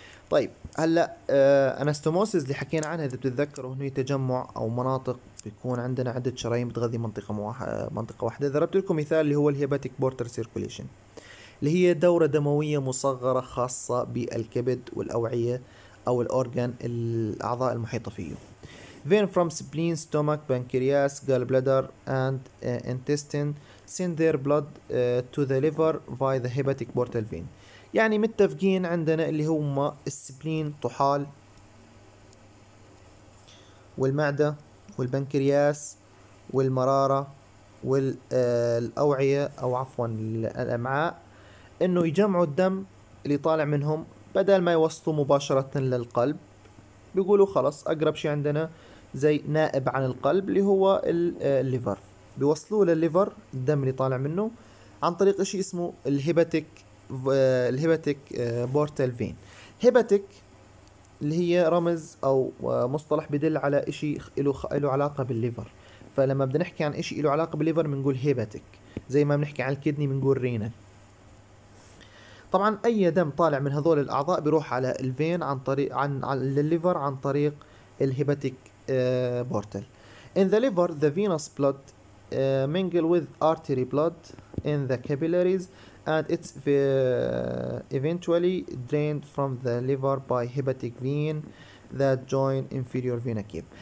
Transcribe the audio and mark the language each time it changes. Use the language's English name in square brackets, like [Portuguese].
[Arabic] طيب هلأ أناستوموسيس اللي حكينا عنها إذا بتتذكروا، هنا تجمع أو مناطق بيكون عندنا عدة شرايين بتغذي منطقة منطقة واحدة. ضربت لكم مثال اللي هو الهيباتيك بورتر سيركوليشن، اللي هي دورة دموية مصغرة خاصة بالكبد والأوعية أو الأورغان الأعضاء المحيطة فيه. [English] Vein from spleen, stomach, pancreas, gallbladder and intestine send their blood to the liver via the hepatic portal vein. [Arabic] يعني متفقين عندنا اللي هما السبلين طحال والمعدة والبنكرياس والمرارة والأوعية أو عفوا الأمعاء، إنه يجمعوا الدم اللي طالع منهم بدل ما يوصلوا مباشرة للقلب. بيقولوا خلص أقرب شي عندنا زي نائب عن القلب اللي هو الليفر، بيوصلوا للليفر الدم اللي طالع منه عن طريق شيء اسمه الهيباتيك الهيباتيك بورتال فين. هيباتيك اللي هي رمز او مصطلح بيدل على شيء له علاقه بالليفر، فلما بدنا نحكي عن شيء له علاقه بالليفر بنقول هيباتيك، زي ما بنحكي عن الكدني بنقول رينال. طبعا اي دم طالع من هذول الاعضاء بيروح على الفين عن طريق عن الليفر عن طريق الهيباتيك بورتال. [English] In the liver the venous blood mingle with artery blood in the capillaries and it's eventually drained from the liver by hepatic vein that join inferior vena cava.